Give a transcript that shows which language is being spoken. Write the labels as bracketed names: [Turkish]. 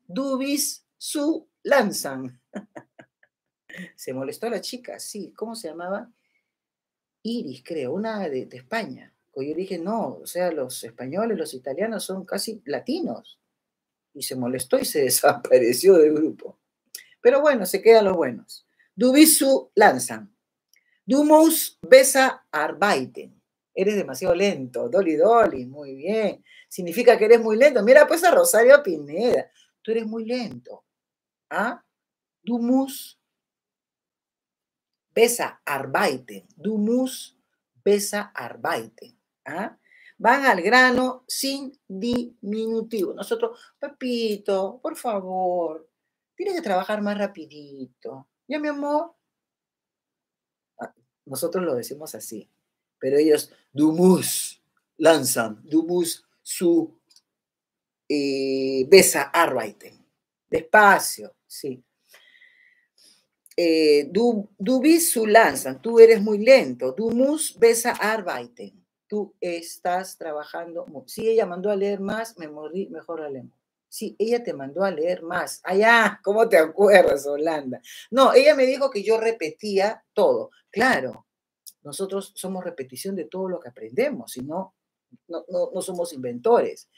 [German] Du bist zu langsam. [Spanish] Se molestó la chica, sí, ¿cómo se llamaba? Iris, creo, una de España. Yo dije, no, o sea, los españoles, los italianos son casi latinos. Y se molestó y se desapareció del grupo. Pero bueno, se quedan los buenos. [German] Du bist zu langsam. Du musst besser arbeiten. [Spanish] Eres demasiado lento. Dolly Dolly, muy bien. Significa que eres muy lento. Mira, pues a Rosario Pineda. Tú eres muy lento. ¿Ah? [German] Du musst besser arbeiten. Du musst besser arbeiten. [Spanish] ¿Ah? Van al grano sin diminutivo. Nosotros, papito, por favor, tienes que trabajar más rapidito. ¿Ya, mi amor? Nosotros lo decimos así. Pero ellos, [German] du musst langsam, du musst zu besser arbeiten. [Spanish] Despacio, sí. [German] Du bist zu langsam, [Spanish] tú eres muy lento. [German] Du musst besser arbeiten. [Spanish] Tú estás trabajando. Si ella mandó a leer más, me morí mejor la lengua. Sí, ella te mandó a leer más. Allá, ¿cómo te acuerdas, Holanda? No, ella me dijo que yo repetía todo. Claro, nosotros somos repetición de todo lo que aprendemos, si no, no somos inventores.